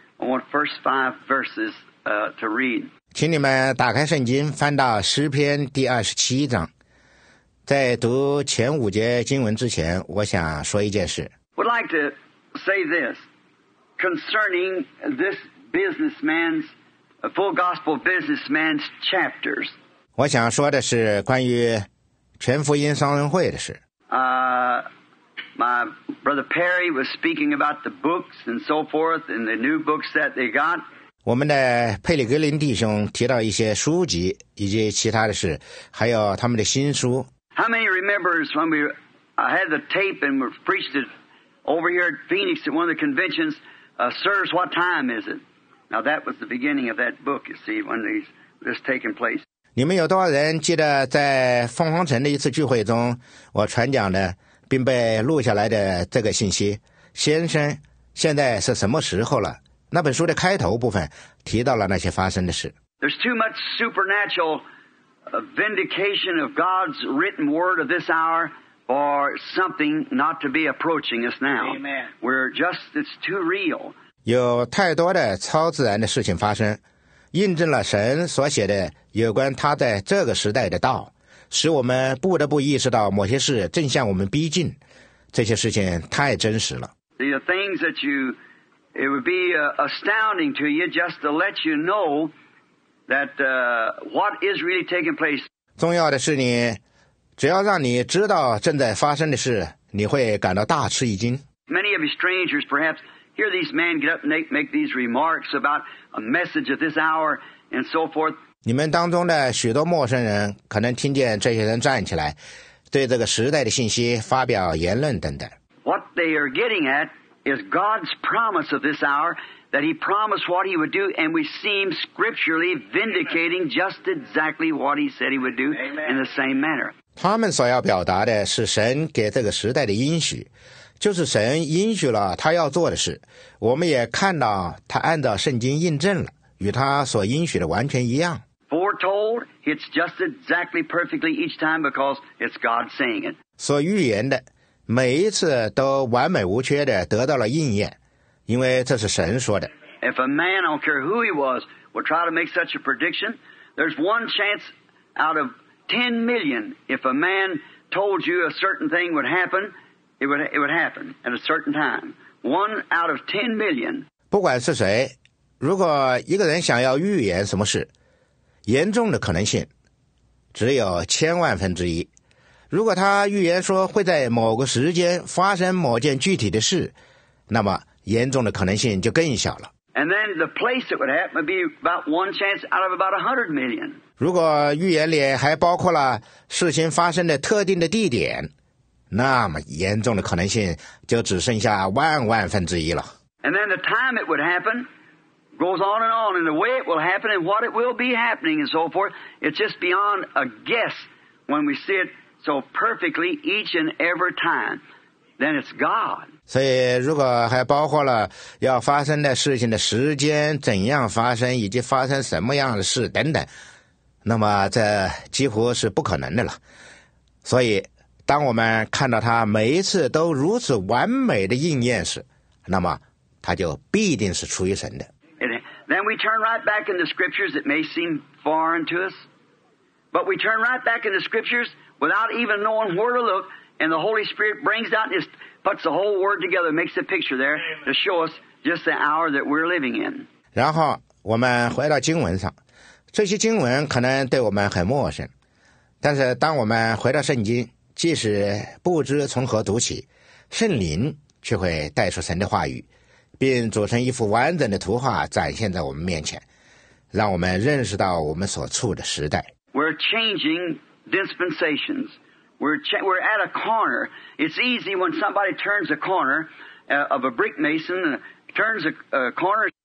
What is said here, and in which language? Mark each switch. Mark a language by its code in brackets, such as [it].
[en] I want first five verses to read. [zh] 请你们打开圣经，翻到诗篇第27章。在读前五节经文之前，我想说一件事。 [en] Would like to say this concerning this businessman's full gospel businessman's chapters. [zh] 我想说的是关于全福音双恩会的事。 [en] My brother Perry was speaking about the books and so forth and the new books that they got. [zh] 我们的佩里格林弟兄提到一些书籍以及其他的事，还有他们的新书。 [en] How many remembers when I had the tape and preached it over here at Phoenix at one of the conventions, Sirs, what time is it? Now that was the beginning of that book, you see, when this taking place. [zh] 你们有多少人记得在凤凰城的一次聚会中我传讲的并被录下来的这个信息？先生，现在是什么时候了？那本书的开头部分提到了那些发生的事。 [en] There's too much supernatural a vindication of God's written word of this hour for something not to be approaching us now. Amen. We're just, it's too real. [zh] 有太多的超自然的事情发生，印证了神所写的有关他在这个时代的道，使我们不得不意识到某些事正向我们逼近，这些事情太真实了。 [en] The things that you, it would be astounding to you just to let you know that what is really taking place. [zh] 重要的是你只要让你知道正在发生的事，你会感到大吃一惊。 [en] Many of you strangers perhaps hear these men get up and make these remarks about a message of this hour and so forth. [zh] 你们当中的许多陌生人可能听见这些人站起来对这个时代的信息发表言论等等。 [en] What they are getting at is God's promise of this hour. That he promised what he would do, and we seem scripturally vindicating just exactly what he said he would do in the same manner. [zh] 他们所要表达的是神给这个时代的应许，就是神应许了他要做的事。我们也看到他按照圣经印证了，与他所应许的完全一样。 Foretold, it's just exactly perfectly each time because it's God saying it. 所预言的每一次都完美无缺的得到了应验。因为这是神说的。 [en] If a man, I don't care who he was, would try to make such a prediction, there's one chance out of 10 million if a man told you a certain thing would happen, it would happen at a certain time. One out of 10 million. [zh] 不管是谁，如果一个人想要预言什么事，严重的可能性只有千万分之一。如果他预言说会在某个时间发生某件具体的事，那么严重的可能性就更小了。 [en] And then the place it would happen would be about one chance out of about 100 million. [zh] 如果预言里还包括了事情发生的特定的地点，那么严重的可能性就只剩下万万分之一了。 [en] And then the time it would happen goes on, and the way it will happen and what it will be happening and so forth, it's just beyond a guess when we see it so perfectly each and every time. Then it's God. [zh] 所以如果还包括了要发生的事情的时间怎样发生以及发生什么样的事等等，那么这几乎是不可能的了。所以当我们看到它每一次都如此完美的应验时，那么他就必定是出于神的。 [en] Then we turn right back in the scriptures that may seem foreign to us, but we turn right back in the scriptures without even knowing where to look, and the Holy Spirit brings out and just puts the whole word together, makes a picture there to show us just the hour that we're living in. [zh] 然后我们回到经文上，这些经文可能对我们很陌生，但是当我们回到圣经，即使不知从何读起，圣灵却会带出神的话语，并组成一幅完整的图画展现在我们面前，让我们认识到我们所处的时代。 [en] We're changing dispensations. We're at a corner. It's easy when somebody turns a corner of a brick mason turns a corner.